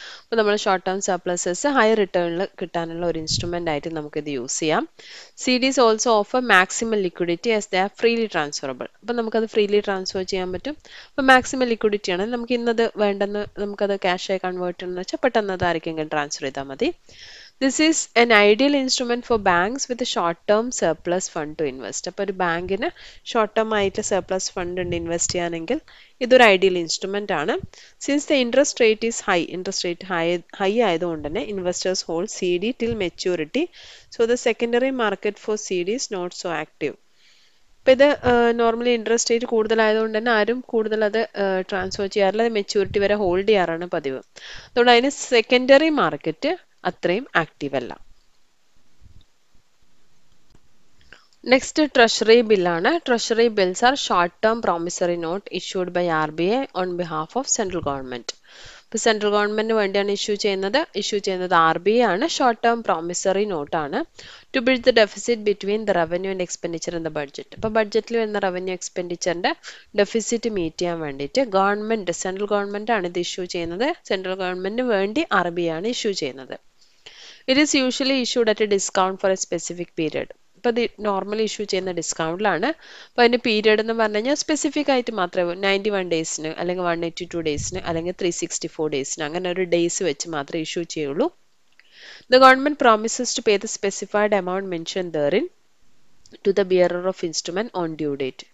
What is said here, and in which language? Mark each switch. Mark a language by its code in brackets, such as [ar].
[ml] അപ്പോൾ നമ്മൾ short term surpluses higher റിട്ടേണിൽ കിട്ടാനുള്ള ഒരു ഇൻസ്ട്രുമെൻ്റ് ആയിട്ട് നമുക്കിത് യൂസ് ചെയ്യാം. [en] CDs also offer maximum liquidity as they are freely transferable. [ml] അപ്പോൾ നമുക്കത് ഫ്രീലി ട്രാൻസ്ഫർ ചെയ്യാൻ പറ്റും. അപ്പോൾ മാക്സിമം ലിക്വിഡിറ്റി ആണ്, നമുക്ക് ഇന്നത് വേണ്ടെന്ന് നമുക്കത് ക്യാഷായി കൺവേർട്ട് ചെയ്യണമെന്ന് വെച്ചാൽ പെട്ടെന്ന് അത് ആർക്കെങ്കിലും ട്രാൻസ്ഫർ ചെയ്താൽ മതി. [en] This is an ideal instrument for banks with a short-term surplus fund to invest. [ml] അപ്പോൾ ഒരു ബാങ്കിന് ഷോർട്ട് ടേം ആയിട്ട് സർപ്ലസ് ഫണ്ട് ഉണ്ട് ഇൻവെസ്റ്റ് ചെയ്യാനെങ്കിൽ ഇതൊരു ഐഡിയൽ ഇൻസ്ട്രുമെൻ്റ് ആണ്. [en] since the interest rate is high, [ml] interest rate high ആയതുകൊണ്ട് തന്നെ [en] Investors hold C D till maturity, so the secondary market for C D is not so active. [ml] അപ്പോൾ ഇത് normally interest rate കൂടുതലായതുകൊണ്ട് തന്നെ ആരും കൂടുതൽ അത് ട്രാൻസ്ഫർ ചെയ്യാറില്ല, അത് മെച്യൂരിറ്റി വരെ ഹോൾഡ് ചെയ്യാറാണ് പതിവ്. അതുകൊണ്ട് അതിന് സെക്കൻഡറി മാർക്കറ്റ് അത്രയും ആക്റ്റീവ് അല്ല. നെക്സ്റ്റ് ട്രഷറി ബില്ലാണ്. [en] Treasury bills are short term promissory note issued by R B I on behalf of central government. [ml] ഇപ്പോൾ സെൻട്രൽ ഗവൺമെൻറ്റിന് വേണ്ടിയാണ് ഇഷ്യൂ ചെയ്യുന്നത്. ഇഷ്യൂ ചെയ്യുന്നത് ആർ ബി ഐ ആണ്. Short term promissory നോട്ടാണ്. [en] To build the deficit between the revenue and expenditure in the budget. [ml] അപ്പോൾ ബഡ്ജറ്റിൽ വരുന്ന revenue എക്സ്പെൻഡിച്ചറിൻ്റെ deficit meet ചെയ്യാൻ വേണ്ടിയിട്ട് ഗവൺമെൻറ്, സെൻട്രൽ ഗവൺമെൻറ് ആണ് ഇത് ഇഷ്യൂ ചെയ്യുന്നത്. സെൻട്രൽ ഗവൺമെൻറ്റിന് വേണ്ടി ആർ ബി ഐ ആണ് ഇഷ്യൂ ചെയ്യുന്നത്. [en] It is usually issued at a discount for a specific period. [ml] അപ്പോൾ ഇത് നോർമൽ ഇഷ്യൂ ചെയ്യുന്ന ഡിസ്കൗണ്ടിലാണ്. അപ്പോൾ അതിൻ്റെ പീരീഡ് എന്ന് പറഞ്ഞു കഴിഞ്ഞാൽ സ്പെസിഫിക് ആയിട്ട് മാത്രമേ 91 ഡേയ്സിന് അല്ലെങ്കിൽ 182 ഡേയ്സിന് അല്ലെങ്കിൽ 364 ഡേയ്സിന് അങ്ങനെ ഒരു ഡേയ്സ് വെച്ച് മാത്രമേ ഇഷ്യൂ ചെയ്യുള്ളൂ. [en] The government promises to pay the specified amount mention therein to the bearer of instrument on due date.